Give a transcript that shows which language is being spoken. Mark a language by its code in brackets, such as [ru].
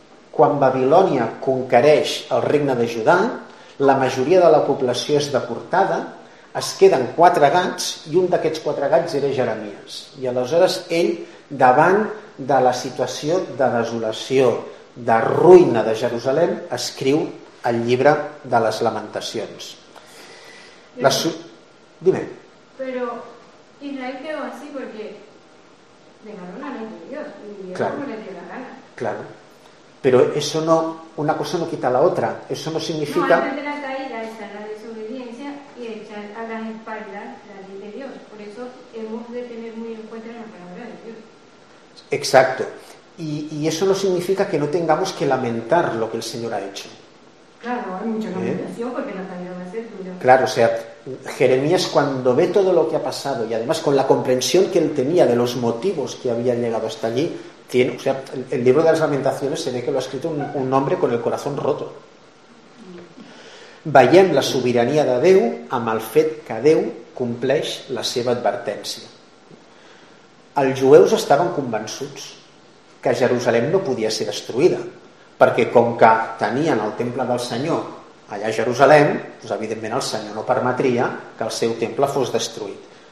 [ca] Quan Babilònia conquereix el regne de Judà, la majoria de la població és deportada, es queden 4 gats i un d'aquests 4 gats era Jeremies. I aleshores ell, davant de la situació de desolació, de ruïna de Jerusalem, escriu el llibre de les Lamentacions. [es] Dime. Però Israel quedó así porque dejaron a Dios y claro. Como les dio la gana. Claro. Pero eso no, una cosa no quita la otra. Eso no significa. No, antes de la caída está la desobediencia y echar a las espaldas la ley de Dios. Por eso hemos de tener muy en cuenta la palabra de Dios. Exacto. Y eso no significa que no tengamos que lamentar lo que el Señor ha hecho. Claro, hay mucha lamentación porque no ha caído a ser tuyo. Claro, o sea, Jeremías, cuando ve todo lo que ha pasado y además con la comprensión que él tenía de los motivos que habían llegado hasta allí, tiene, o sea, el libro de las Lamentaciones se ve que lo ha escrito un hombre con el corazón roto. [ca] Veiem la sobirania de Déu amb el fet que Déu compleix la seva advertència. Els jueus estaven convençuts que Jerusalem no podia ser destruïda, perquè com que tenien el temple del Senyor allà a Jerusalem, doncs evidentment el Senyor no permetria que el seu temple fos destruït.